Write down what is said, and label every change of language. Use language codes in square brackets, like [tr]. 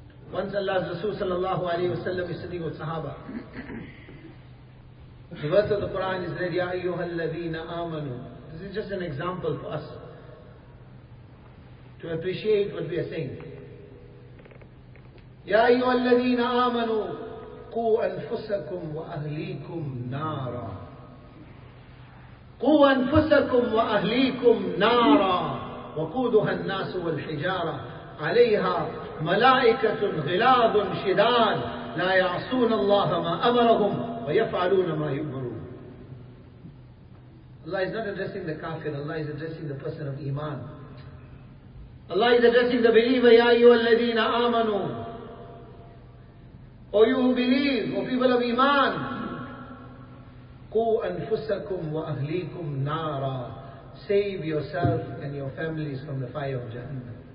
[en] Once Allah's Rasul sallallahu alayhi wa sallam is sitting with Sahaba. The verse of the Quran is read, Ya ayyuha alladhina amanu. This is just an example for us to appreciate what we are saying. Ya ayyuha alladhina amanu. [ar] قُوْ أَنفُسَكُمْ وَأَهْلِيكُمْ نَارًا قُوْ أَنفُسَكُمْ وَأَهْلِيكُمْ نَارًا وَقُودُهَا النَّاسُ وَالْحِجَارَةُ عَلَيْهَا مَلَائِكَةٌ غِلَاظٌ شِدَادٌ لَا يَعْصُونَ اللَّهَ مَا أَمَرَهُمْ وَيَفْعَلُونَ مَا يُؤْمَرُونَ [en] Allah is not addressing the kafir, Allah is addressing the person of iman. Allah is addressing the believer, [ar] يَا أَيُّهَا الَّذِينَ آمَنُوا [en] O you who believe, O people of Iman, [ar] قُوْ أَنفُسَكُمْ وَأَهْلِيكُمْ نَارًا [en] Save yourself and your families from the fire of Jahannam.